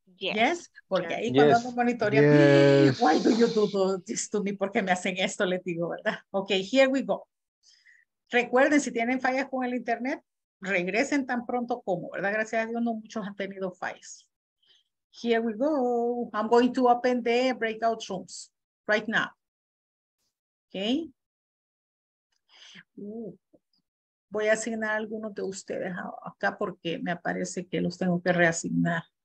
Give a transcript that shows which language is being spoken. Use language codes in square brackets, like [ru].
[es] Yes, porque ahí cuando hago monitoreo, yes. Why do you do this to me? ¿Por qué me hacen esto? Les digo, ¿verdad? Ok, here we go. Recuerden, si tienen fallas con el internet, regresen tan pronto como, ¿verdad? Gracias a Dios, no muchos han tenido fallas. [en] Here we go. I'm going to open the breakout rooms right now. Okay. [es] Voy a asignar a algunos de ustedes acá porque me parece que los tengo que reasignar.